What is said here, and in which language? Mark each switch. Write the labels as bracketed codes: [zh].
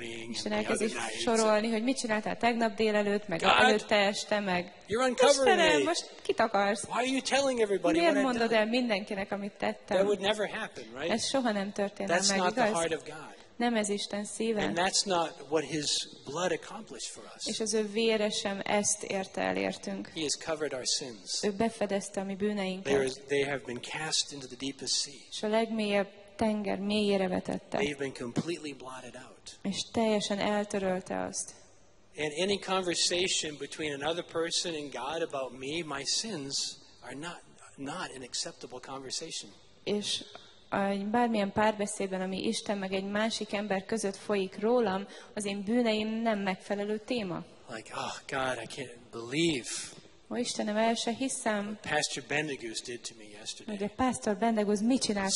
[hu] Isten elkezdi sorolni, hogy mit csináltál tegnap délelőtt, meg előtte este, meg Istenem, most kit akarsz? Miért mondod el mindenkinek, amit tettem? [en] That would never happen, right? [hu] Ez soha nem történt meg, igaz? Nem ez Isten szíve. [en] And that's not what his blood accomplished for us. [hu] És az ő vére sem ezt érte el értünk. [en] He has covered our sins. [hu] Ő befedezte a mi bűneinket. [en] They have been cast into the deepest sea. [hu] És a legmélyebb tenger mélyére vetette. [en] They've been completely blotted out. [hu] És teljesen eltörölte azt. [en] And any conversation between another person and God about me, my sins are not an acceptable conversation. [hu] És bármilyen párbeszédben, ami Isten meg egy másik ember között folyik rólam, az én bűneim nem megfelelő téma. [en] Like, oh God, I can't believe. [hu] Ó, Istenem, el se hiszem. [en] Pastor Bendegúz did to me yesterday. [hu] Meg a Pastor Bendegúz mit csinált